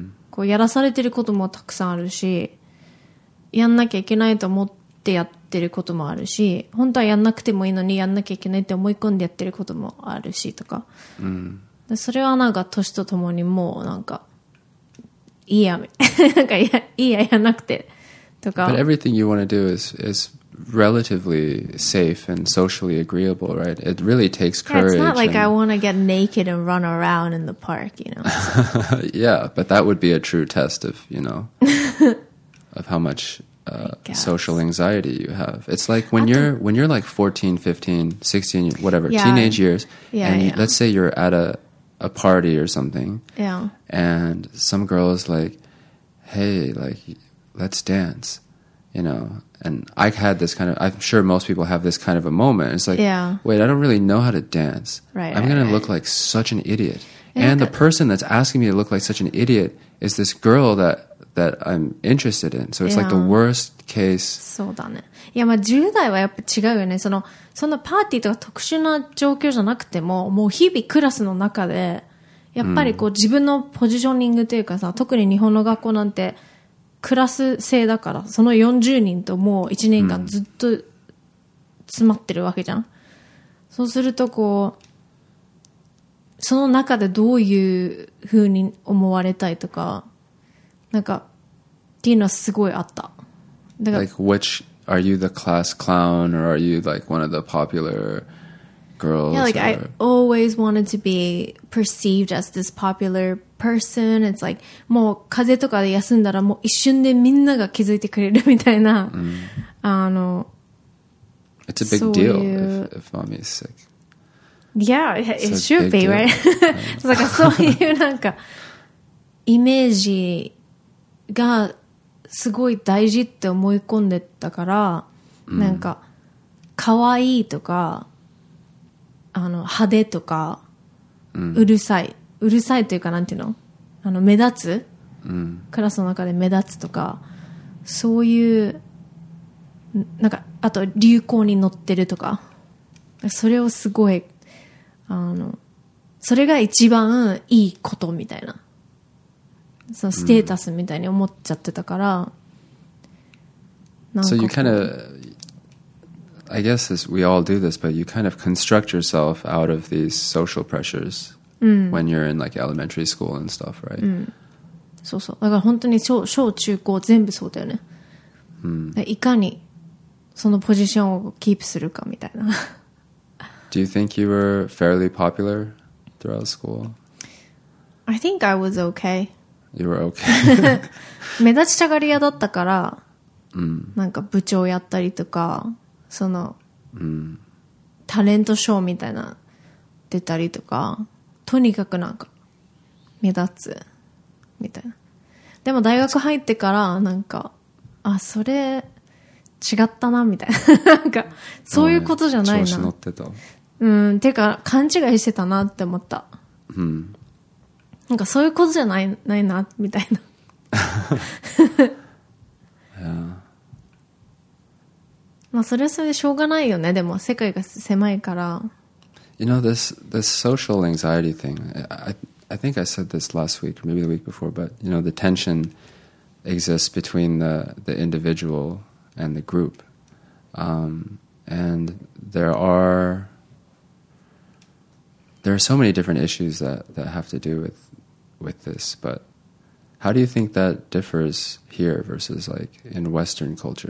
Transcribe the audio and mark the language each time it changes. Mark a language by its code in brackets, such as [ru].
[ja] こうやらされてることもたくさんあるし、やんなきゃいけないと思ってやってることもあるし、本当はやんなくてもいいのにやんなきゃいけないって思い込んでやってることもあるしとか。で、それはなんか年とともにもうなんか、いいや、なんかいいや、やんなくて。 [en] But everything you want to do is relatively safe and socially agreeable, right? It really takes courage. Yeah, it's not like I want to get naked and run around in the park, you know? Yeah, but that would be a true test of, you know, of how much social anxiety you have. It's like when you're like 14, 15, 16, whatever, teenage years, let's say you're at a party or something, and some girl is like, hey, like, let's dance, you know? And I had this kind of, I'm sure most people have this kind of a moment. It's like, wait, I don't really know how to dance. Right. I'm going to look like such an idiot. And the person that's asking me to look like such an idiot is this girl that I'm interested in. So it's like the worst case. [ja] そうだね。いや、まあ10代はやっぱ違うよね。その、そんなパーティーとか特殊な状況じゃなくても、もう日々クラスの中で、やっぱりこう自分のポジショニングというかさ、特に日本の学校なんて、クラス制だから、その40人ともう1年間ずっと詰まってるわけじゃん。そうするとこう、その中でどういう風に思われたいとか、なんか、っていうのはすごいあった。 [en] だから、like, which, are you the class clown or are you like one of the popular girls? Yeah, like, I always wanted to be perceived as this popular person. It's like, [ja] もう風邪とかで休んだらもう一瞬でみんなが気づいてくれるみたいな。あの、 [en] It's a big deal if mommy is sick. Yeah, it should be, right? [ja] なんかそういうなんか、イメージがすごい大事って思い込んでたから、なんか、可愛いとか、あの派手とか、うるさいというかなんていうの、あの目立つ、クラスの中で目立つとか、そういうなんかあと流行に乗ってるとか、それをすごいあのそれが一番いいことみたいな、そのステータスみたいに思っちゃってたから、 [en] なんか。So you kind of... I guess this, we all do this, but you kind of construct yourself out of these social pressures when you're in like elementary school and stuff, right? [ja] そうそう。だから本当に小中高全部そうだよね。いかにそのポジションをキープするかみたいな。 [en] Do you think you were fairly popular throughout school? I think I was okay. You were okay. [ja] 目立ちたがり屋だったから、なんか部長やったりとか、そのタレントショーみたいな出たりとか、とにかくなんか目立つみたいな。でも大学入ってからなんか、あ、それ違ったなみたいな、なんかそういうことじゃないな、調子乗ってた、てか勘違いしてたなって思った、なんかそういうことじゃないなみたいな。まあ、それはそれでしょうがないよね。でも世界が狭いから。 [en] You know, this social anxiety thing, I, I think I said this last week, maybe the week before, but you know, the tension exists between the individual and the group. And there are so many different issues that have to do with this, but how do you think that differs here versus like in Western culture?